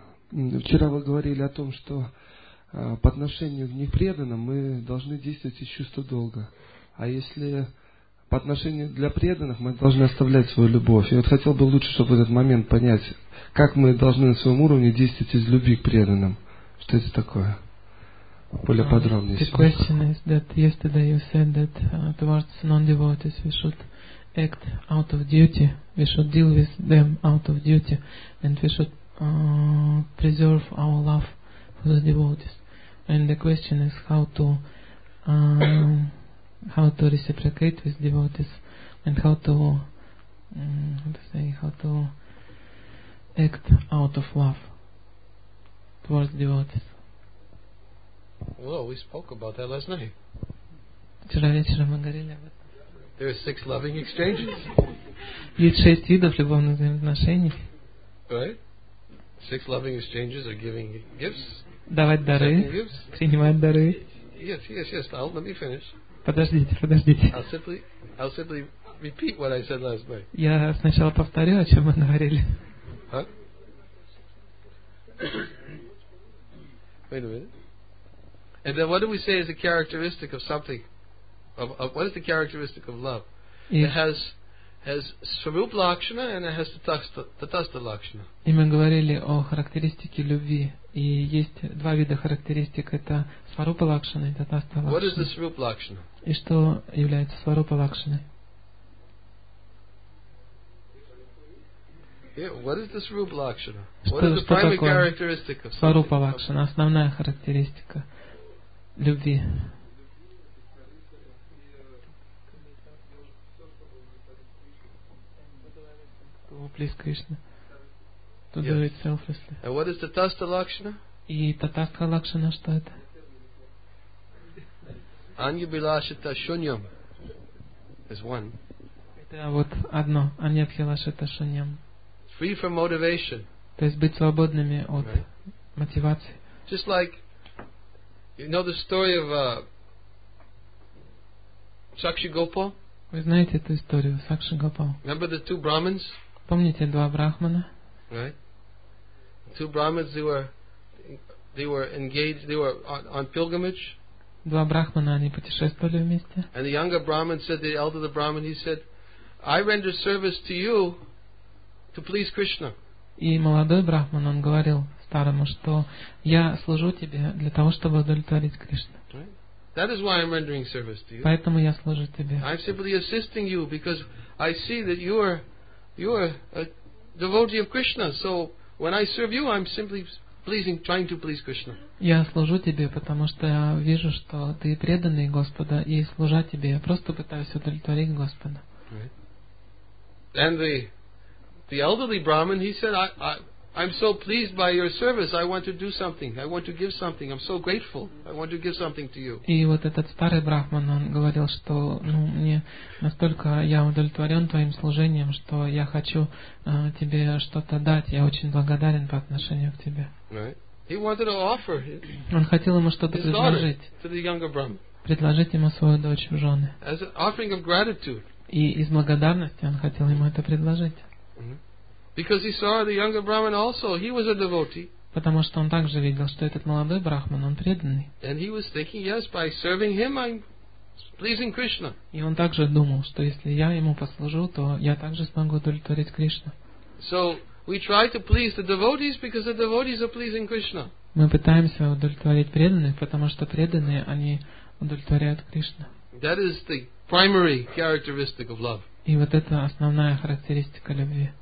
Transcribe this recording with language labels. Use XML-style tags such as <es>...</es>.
<ru>Вчера вы говорили о том, что по отношению к непреданным мы должны действовать из чувства долга. А если по отношению для преданных мы должны оставлять свою любовь. И вот хотел бы лучше, чтобы в этот момент понять, как мы должны на своем уровне действовать из любви к преданным. Что это такое? Более подробнее.</ru> <en>The question is that yesterday you said that towards non-devotees we should act out of duty, we should deal with them out of duty, and we should preserve our love for the devotees. And the question is how to reciprocate with devotees and how to act out of love towards devotees. Well, we spoke about that last night.</en> <ru>Вчера вечером мы говорили об этом.</ru> <en>There are six loving exchanges.</en> <ru>Есть шесть видов любовных взаимоотношений.</ru> <en>Right? Six loving exchanges are giving gifts.</en> <ru>Давать дары. Принимать дары.</ru> <en>Yes. Now, let me finish.</en> <ru>Подождите.</ru> <en>I'll simply repeat what I said last night.</en> <ru>Я сначала повторю, о чем мы говорили. Huh?</ru> <en>Wait a minute. And then what do we say is the characteristic of something? What is the characteristic of love? Yes. It has Swarup Lakshana and it has Tatastha Lakshana.</en> <ru>И мы говорили о характеристике любви. И есть два вида характеристик. Это Swarup Lakshana и Tatastha Lakshana.</ru> <en>What is the Swarup Lakshana?</en> <ru>И что является Swarup Lakshana?</ru> <en>Yeah, what is this Swarup Lakshana? What is the primary characteristic of Swarup Lakshana?</en> <ru>Основная характеристика. Любви.</ru> <en>Please, Krishna. To yes. Do it selflessly. And what is the Tatastha Lakshana?</en> <ru>И Tatastha Lakshana что это?</ru> <en>Anya Bilashita Shunyam is one.</en> <ru>Это вот одно. Anya Bilashita Shunyam.</ru> <en>Free from motivation.</en> <ru>То есть быть свободными от мотивации.</ru> <en>Just like you know the story of Sakshi Gopal?</en> <ru>Вы знаете эту историю Сакши Гопал?</ru> <en>Remember the two Brahmins?</en> <ru>Помните два брахмана?</ru> <en>Right. Two Brahmins they were engaged, they were on pilgrimage.</en> <ru>Два брахмана они путешествовали вместе.</ru> <en>And the younger Brahmin said, the elder the Brahmin, he said, I render service to you to please Krishna.</en> <ru>И молодой брахман он говорил старому, что я служу тебе для того, чтобы удовлетворить Кришну.</ru> <en>That is why I'm rendering service to you.</en> <ru>Поэтому я служу тебе.</ru> <en>I'm simply assisting you because I see that you are a devotee of Krishna. So when I serve you, I'm simply pleasing, trying to please Krishna.</en> <ru>Я служу тебе, потому что я вижу, что ты преданный Господа, и служа тебе, я просто пытаюсь удовлетворить Господа.</ru> <en>Right. And the the elderly Brahmin, he said, I'm so pleased by your service. I want to do something. I want to give something. I'm so grateful. I want to give something to you.</en> <ru>И вот этот старый брахман, он говорил, что мне настолько я удовлетворен твоим служением, что я хочу тебе что-то дать. Я очень благодарен по отношению к тебе.</ru> <en>He wanted to offer.</en> <ru>Он хотел ему что-то предложить.</ru> <en>To the younger brahman.</en> <ru>Предложить ему свою дочь в жены.</ru> <en>As an offering of gratitude.</en> <ru>И из благодарности он хотел ему это предложить.</ru> <en>Because he saw the younger Brahmin also, he was a devotee.</en> <ru>Потому что он также видел, что этот молодой брахман, он преданный.</ru> <en>And he was thinking, yes, by serving him, I'm pleasing Krishna.</en> <ru>И он также думал, что если я ему послужу, то я также смогу удовлетворить Кришну.</ru> <en>So we try to please the devotees because the devotees are pleasing Krishna.</en> <ru>Мы пытаемся удовлетворить преданных, потому что преданные они удовлетворяют Кришну.</ru> <en>That is the primary characteristic of love.</en> <ru>И вот это основная характеристика любви.</ru>